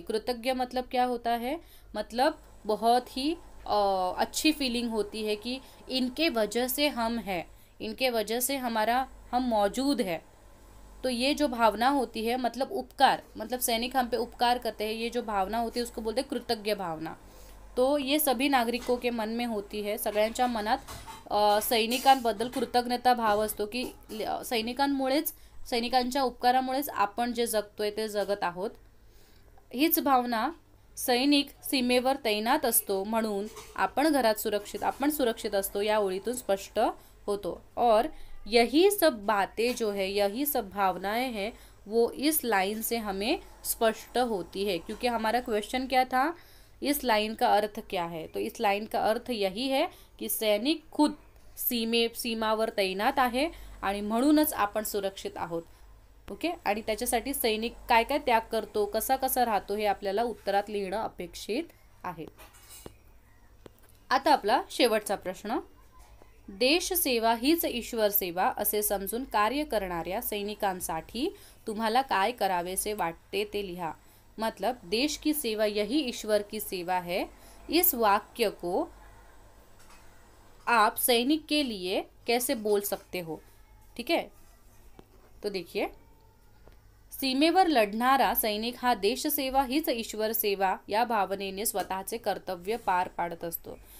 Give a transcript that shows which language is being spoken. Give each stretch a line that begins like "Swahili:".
Hindi: कृतज्ञ मतलब क्या होता है? मतलब बहुत ही अच्छी फीलिंग होती है कि इनके वजह से हम हैं, इनके वजह से हमारा हम मौजूद है। तो ये जो भावना होती है मतलब उपकार, मतलब सैनिक हम पे उपकार करते हैं, ये जो भावना होती है उसको बोलते हैं कृतज्ञ भावना। तो ये सभी नागरिकों के मन में होती है,
Marathi: सगळ्यांच्या मनात सैनिकांबद्दल कृतज्ञता भाव असतो की सैनिकांमुळेच, सैनिकांच्या उपकारामुळेच आपण जे जगतोय ते जगत आहोत। हीच भावना सैनिक सीमेवर तैनात असतो म्हणून आपण घरात सुरक्षित, आपण सुरक्षित असतो या ओळीतून स्पष्ट होतो।
Hindi: और यही सब बातें जो है, यही सब भावनाएं हैं, वो इस लाइन से हमें स्पष्ट होती है, क्योंकि हमारा क्वेश्चन क्या था, इस लाइन का अर्थ क्या है? तो इस लाइन का अर्थ यही है कि सैनिक खुद
Marathi: सीमावर तैनात आहे आणि म्हणूनच आपण सुरक्षित आहोत,
Hindi: ओके।
Marathi: आणि त्याच्यासाठी सैनिक काय काय त्याग करतो, कसा कसा राहतो, हे आपल्याला उत्तरात लिहिणं अपेक्षित आहे। आता आपला शेवटचा प्रश्न, देश सेवा हीच ईश्वर सेवा असे समजून कार्य करणाऱ्या सैनिकांसाठी तुम्हाला काय करावेसे वाटते ते लिहा।
Hindi: मतलब देश की सेवा यही ईश्वर की सेवा है, इस वाक्य को आप सैनिक के लिए कैसे बोल सकते हो? ठीक है, तो देखिए,
Marathi: सीमेवर लढणारा सैनिक हा देश सेवा हीच ईश्वर सेवा या भावनेने स्वतःचे कर्तव्य पार पाडत असतो।